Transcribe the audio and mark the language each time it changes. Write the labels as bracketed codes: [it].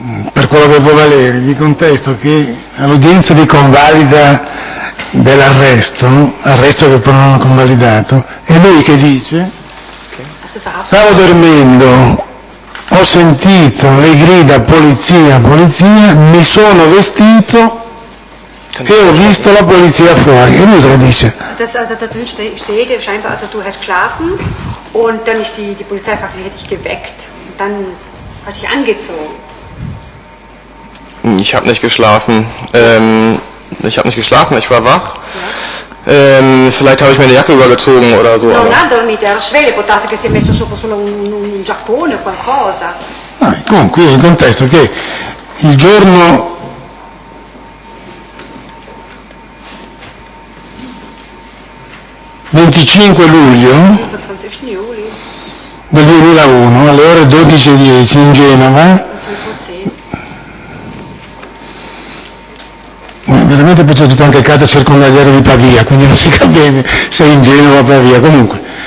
[it] Per quello che può valere, gli contesto che all'udienza di convalida dell'arresto, arresto che poi non hanno convalidato, è lui che dice: stavo dormendo, ho sentito le grida polizia, polizia, mi sono vestito e ho visto la polizia fuori. E lui te lo dice. [de] Das also da drin steht, scheinbar, also du hast geschlafen und dann ist die Polizei praktisch hätte dich geweckt und dann hat dich angezogen. Ich habe nicht geschlafen. Ich habe nicht geschlafen, ich war wach. Vielleicht habe ich mir eine Jacke übergezogen oder so. [it] Non ha dormito, era sveglio, può darsi che si è messo sopra solo un giappone o qualcosa. Comunque, il contesto che il giorno del 2001, alle ore 12:10 in Genova, veramente poi c'è tutto anche il caso circondariale di Pavia, quindi non si capisce se è in Genova o Pavia, comunque.